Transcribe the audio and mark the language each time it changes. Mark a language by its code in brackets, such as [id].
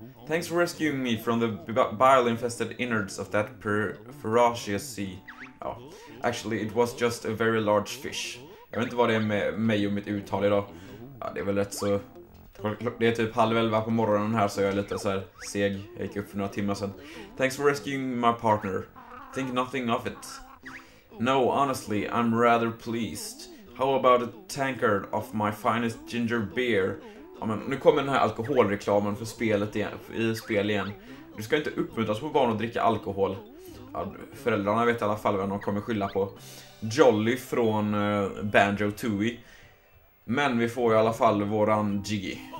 [en] Thanks for rescuing me from the bile-infested innards of that ferocious sea. Ja. Actually, it was just a very large fish. [sv] Jag vet inte vad det är med mig och mitt uttal idag. Ja, det är väl rätt så... Det är typ 10:30 på morgonen här, så jag är lite så här seg. Jag gick upp för några timmar sedan. [en] Thanks for rescuing my partner. Think nothing of it. No, honestly, I'm rather pleased. How about a tankard of my finest ginger beer? [sv] Ja, men nu kommer den här alkoholreklamen för spelet igen, i spel igen. Du ska inte uppmuntras på barn att dricka alkohol. Ja, föräldrarna vet i alla fall vem de kommer skylla på. Jolly från Banjo-Tooie. Men vi får i alla fall våran Jiggy.